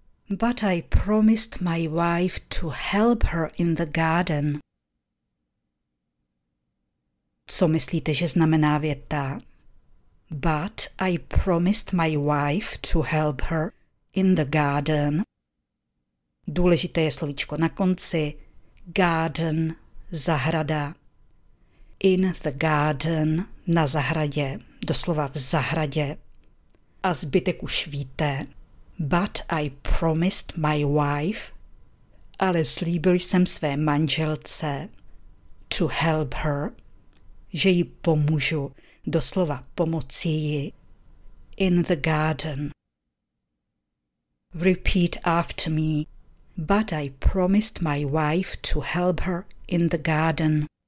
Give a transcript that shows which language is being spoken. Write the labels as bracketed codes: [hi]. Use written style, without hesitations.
[en] But I promised my wife to help her in the garden. [cs] Co myslíte, že znamená věta? [en] But I promised my wife to help her in the garden. [cs] Důležité je slovíčko na konci. Garden, zahrada. [en] In the garden, [cs] na zahradě, doslova v zahradě. A zbytek už víte. [en] But I promised my wife, [cs] ale slíbil jsem své manželce, [en] to help her, [cs] že jí pomůžu, doslova pomocí jí, [en] in the garden. Repeat after me. But I promised my wife to help her in the garden.